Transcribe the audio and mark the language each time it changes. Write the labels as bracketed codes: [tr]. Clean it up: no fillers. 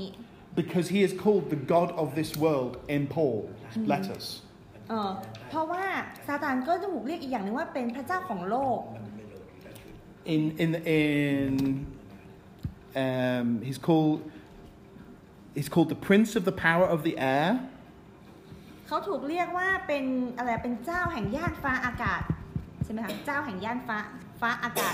[en] because he is called the god of this world in Paul letters [th] เพราะว่าซาตานก็ถูกเรียกอีกอย่างนึงว่าเป็นพระเจ้าของโลก [en] in he's called the prince of the power of the air [th] เขาถูกเรียกว่าเป็นอะไรเป็นเจ้าแห่งย่านฟ้าอากาศใช่มั้ยคะเจ้าแห่งย่านฟ้าอากาศ